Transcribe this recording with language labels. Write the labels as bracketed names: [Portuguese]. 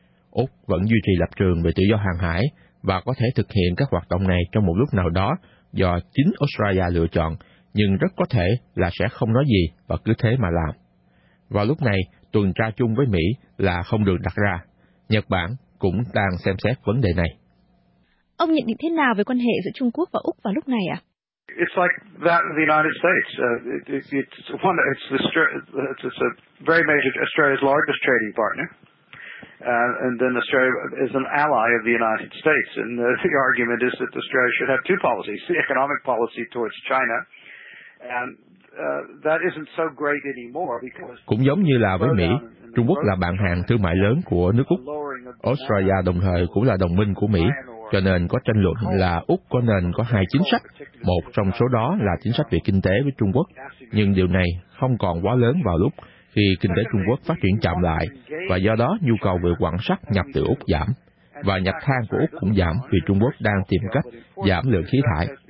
[Vietnamese] Úc vẫn duy trì lập trường về tự do hàng hải và có thể thực hiện các hoạt động này trong một lúc nào đó do chính Australia lựa chọn, nhưng rất có thể là sẽ không nói gì và cứ thế mà làm. Vào lúc này, tuần tra chung với Mỹ là không được đặt ra. Nhật Bản cũng đang xem xét vấn đề này. Ông nhận định thế nào về quan hệ giữa Trung Quốc và Úc vào lúc này ? [English] It's like that in the United States. It's a very major Australia's largest trading partner. And then Australia is an ally of the United States. And the argument is that Australia should have two policies, the economic policy towards China. And that isn't so great anymore because [Vietnamese] cũng giống như là với Mỹ, Trung Quốc là bạn hàng thương mại lớn của nước Úc. Australia đồng thời cũng là đồng minh của Mỹ. Cho nên có tranh luận là Úc có nên có hai chính sách, một trong số đó là chính sách về kinh tế với Trung Quốc, nhưng điều này không còn quá lớn vào lúc khi kinh tế Trung Quốc phát triển chậm lại, và do đó nhu cầu về quặng sắt nhập từ Úc giảm, và nhập than của Úc cũng giảm vì Trung Quốc đang tìm cách giảm lượng khí thải.